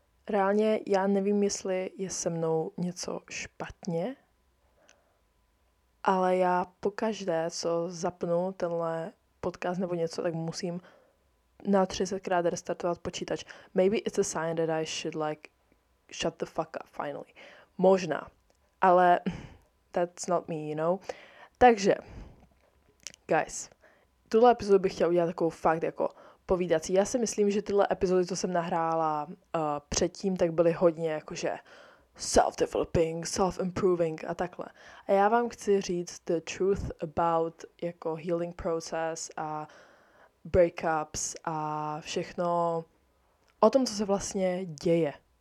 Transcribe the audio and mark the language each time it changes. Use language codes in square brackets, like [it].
[cs] reálně já nevím, jestli je se mnou něco špatně, ale já pokaždé, co zapnu tenhle podcast nebo něco, tak musím na 30krát restartovat počítač. [en] Maybe it's a sign that I should like shut the fuck up finally. [cs] Možná, ale [en] that's not me, you know? [cs] Takže, [en] guys, [cs] tuhle epizodu bych chtěla udělat takovou fakt jako povídací. Já si myslím, že tyhle epizody, co jsem nahrála předtím, tak byly hodně jakože [en] self-developing, self-improving [cs] a takhle. A já vám chci říct [en] the truth about [cs] jako [en] healing process [cs] a [en] breakups [cs] a všechno o tom, co se vlastně děje.